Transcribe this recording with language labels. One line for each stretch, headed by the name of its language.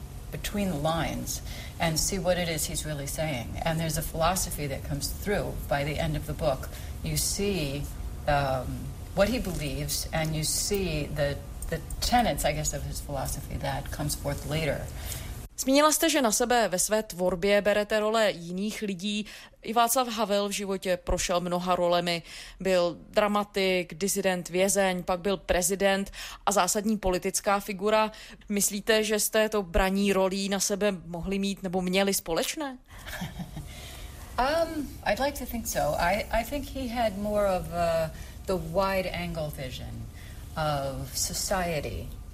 English: Between the lines and see what it is he's really saying. And there's a philosophy that comes through by the end of the book. You see what he believes and you see the tenets, I guess, of his philosophy that comes forth later.
Czech: Zmínila jste, že na sebe ve své tvorbě berete role jiných lidí. I Václav Havel v životě prošel mnoha rolemi. Byl dramatik, disident, vězeň, pak byl prezident a zásadní politická figura. Myslíte, že jste to braní rolí na sebe mohli mít nebo měli společné?
English: I'd like to think so. I think he had more of the wide angle vision of society.